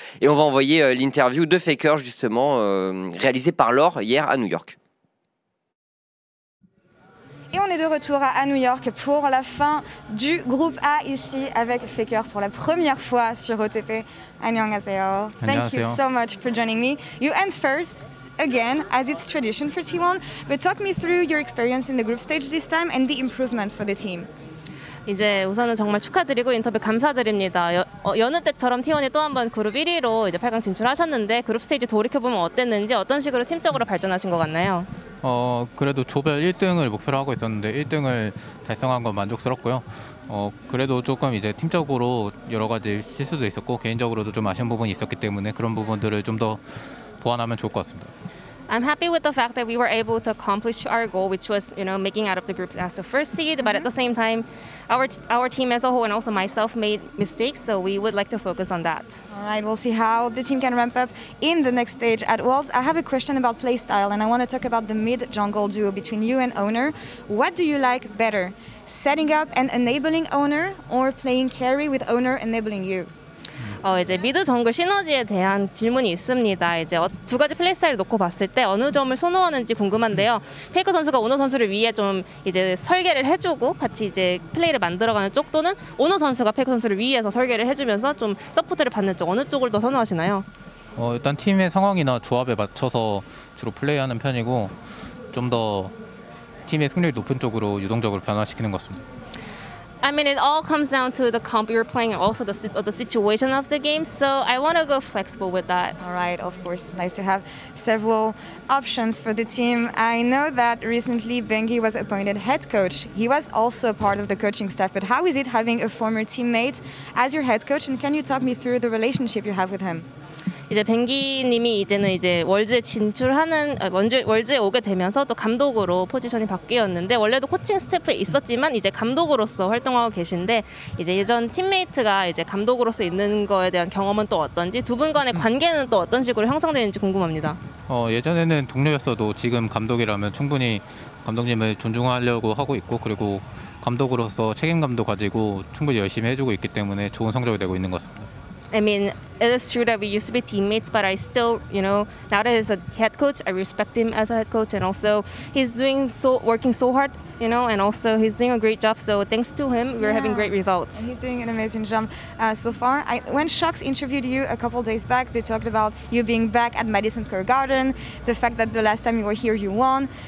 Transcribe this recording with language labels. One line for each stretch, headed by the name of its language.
French: Et on va envoyer l'interview de Faker, justement, réalisée par Laure hier à New York. Et on est de retour à New York pour la fin du groupe A ici avec Faker pour la première fois sur OTP.
English: Annyeonghaseyo. Thank you so much for joining me. You end first again, as it's tradition for T1. But talk me through your experience in the group stage this time and the improvements for the team.
Korean: 이제 우선은 정말 축하드리고 인터뷰 감사드립니다. 여느 때처럼 T1이 또 한 번 그룹 1위로 이제 8강 진출하셨는데 그룹 스테이지 돌이켜 보면 어땠는지 어떤 식으로 팀적으로 발전하신 것 같나요? 그래도 조별 1등을 목표로 하고 있었는데 1등을 달성한 건 만족스럽고요. 그래도 조금 이제 팀적으로 여러 가지 실수도 있었고 개인적으로도 좀 아쉬운 부분이 있었기 때문에 그런 부분들을 좀 더 보완하면 좋을 것 같습니다.
English: I'm happy with the fact that we were able to accomplish our goal, which was, you know, making out of the group as the first seed. Mm-hmm. But at the same time, our team as a whole and also myself made mistakes, so we would like to focus on that. All right, we'll see how the team can ramp up in the next stage at Worlds. I have a question about playstyle, and I want to talk about the mid-jungle duo between you and Owner. What do you like better, setting up and enabling Owner, or playing carry with Owner enabling you?
Korean: 이제 미드 정글 시너지에 대한 질문이 있습니다. 이제 두 가지 플레이 스타일을 놓고 봤을 때 어느 점을 선호하는지 궁금한데요. 페이커 선수가 오너 선수를 위해 좀 이제 설계를 해주고 같이 이제 플레이를 만들어가는 쪽 또는 오너 선수가 페이커 선수를 위해서 설계를 해주면서 좀 서포트를 받는 쪽 어느 쪽을 더 선호하시나요? 일단 팀의 상황이나 조합에 맞춰서 주로 플레이하는 편이고 좀 더 팀의 승률이 높은 쪽으로 유동적으로 변화시키는 것 같습니다.
English: I mean, it all comes down to the comp you're playing and also the situation of the game. So I want to go flexible with that. All right, of course. Nice to have several options for the team. I know that recently Bengi was appointed head coach. He was also part of the coaching staff. But how is it having a former teammate as your head coach? And can you talk me through the relationship you have with him?
Korean: 이제 뱅기님이 이제는 이제 월즈에 진출하는 월즈에 오게 되면서 또 감독으로 포지션이 바뀌었는데 원래도 코칭 스태프에 있었지만 이제 감독으로서 활동하고 계신데 이제 예전 팀메이트가 이제 감독으로서 있는 거에 대한 경험은 또 어떤지 두 분 간의 관계는 또 어떤 식으로 형성되는지 궁금합니다. 예전에는 동료였어도 지금 감독이라면 충분히 감독님을 존중하려고 하고 있고 그리고 감독으로서 책임감도 가지고 충분히 열심히 해주고 있기 때문에 좋은 성적이 되고 있는 것 같습니다.
English: I mean, it is true that we used to be teammates, but I still, you know, now that he's a head coach, I respect him as a head coach, and also he's doing so, working so hard, you know, and also he's doing a great job. So thanks to him, we're having great results. And he's doing an amazing job so far. When Shox interviewed you a couple days back, they talked about you being back at Madison Square Garden, the fact that the last time you were here, you won.